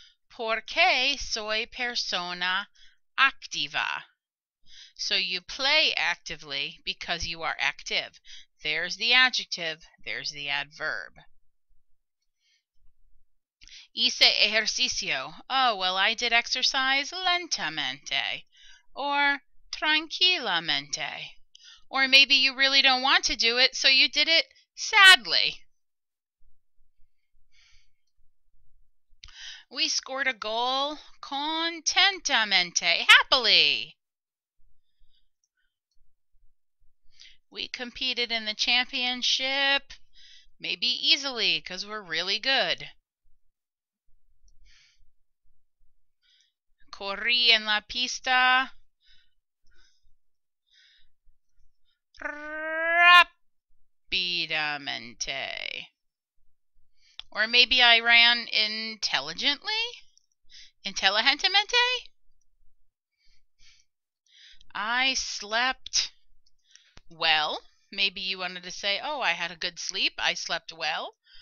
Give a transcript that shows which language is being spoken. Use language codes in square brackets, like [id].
[es] ¿Por qué soy persona activa? [en] So you play actively because you are active. There's the adjective. There's the adverb. [es] Hice ejercicio. [en] Oh, well, I did exercise lentamente or tranquilamente. Or maybe you really don't want to do it, so you did it sadly. We scored a goal contentamente, happily. We competed in the championship, maybe easily, because we're really good. [es] Corrí en la pista rápidamente. [en] Or maybe I ran intelligently? Intelligentemente? I slept well. Maybe you wanted to say, oh, I had a good sleep. I slept well.